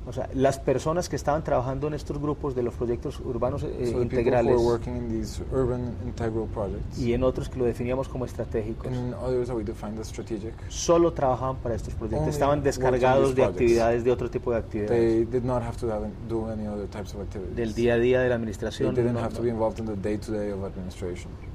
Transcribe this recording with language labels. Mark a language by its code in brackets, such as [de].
[es] O sea, las personas que estaban trabajando en estos grupos de los proyectos urbanos [en] so [es] integrales. [en] People who are working in these urban integral projects. [es] Y en otros que lo definíamos como estratégicos. [en] And in others that we defined as strategic. [es] Solo trabajaban para estos proyectos. Estaban descargados de actividades de otro tipo de actividades. [en] They did not have to have do any other types of activities. [es] Del día a día de la administración. [en] They didn't have to be involved in the day-to-day of administration.